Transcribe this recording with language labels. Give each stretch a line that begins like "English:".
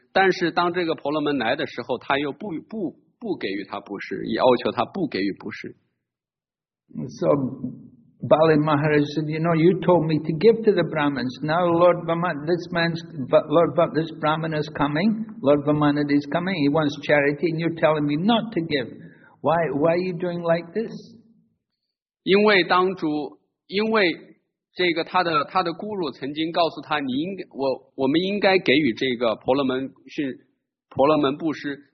Chinese: 但是当这个婆罗门来的时候，他又不给予他布施，要求他不给予布施。
English: So, Bali Maharaj said, "You know, you told me to give to the Brahmins. Now, Lord Vaman, this Brahmin is coming. Lord Vamanadeva is coming. He wants charity, and you're telling me not to give. Why are you doing like this?"
Chinese: 因为当主因为这个他的 guru 曾经告诉他，我们应该给予这个婆罗门布施。